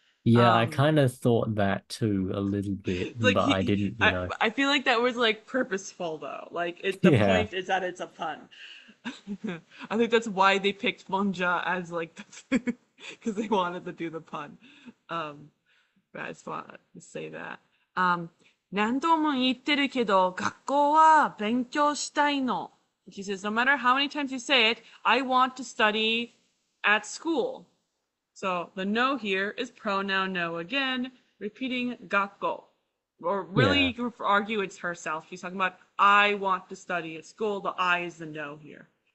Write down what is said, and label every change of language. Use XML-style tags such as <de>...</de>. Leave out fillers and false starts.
<en>Yeah, I kind of thought that too, a little bit, It's like but I didn't, I feel like that was like purposeful though. Like the Yeah. point is that it's a pun. I think that's why they picked Monja as like the food because they wanted to do the pun. But I just want to say that.</en> <ja>何度も言ってるけど、学校は勉強したいの。</ja> <en>She says, no matter how many times you say it, I want to study at school. So the no here is pronoun no again, repeating gakko. Or really, Yeah. you can argue it's herself. She's talking about, I want to study at school. The I is the no here.</en>